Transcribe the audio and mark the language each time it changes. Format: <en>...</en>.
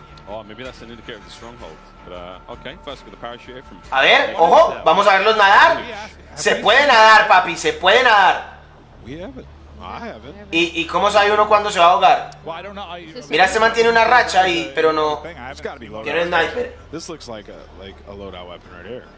<en>Oh, maybe that's an indicator of the stronghold. But okay, first with the parachute here from.</en> <es>A ver, ojo, vamos a verlos nadar. Se puede nadar, papi, se puede nadar.</es> <en>We have it. I have it.</en> <es>¿Y cómo sabe uno cuándo se va a ahogar? Mira, se mantiene una racha y pero no. Tiene el sniper.</es> <en>This looks like a loadout weapon right here.</en>